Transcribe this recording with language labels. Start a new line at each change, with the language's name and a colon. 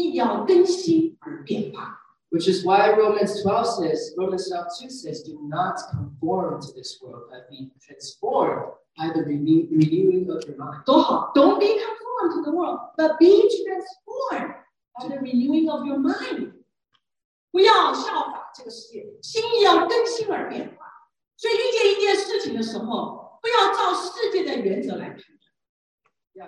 Chinese: 所以罗马书十二章二节讲的说，不要效法这个世界，而要怎么样？心意要更新而变化。
English: Which is why Romans 12:2 says, "Do not conform to this world, but be transformed by the renewing of your mind."
Chinese: 多好！
English: Don't be conformed to the world, but be transformed. The renewing of your mind.
Chinese: 不要效法这个世界，心意要更新而变化。所以遇见一件事情的时候，不要照世界的原则来判断。
English: Yeah,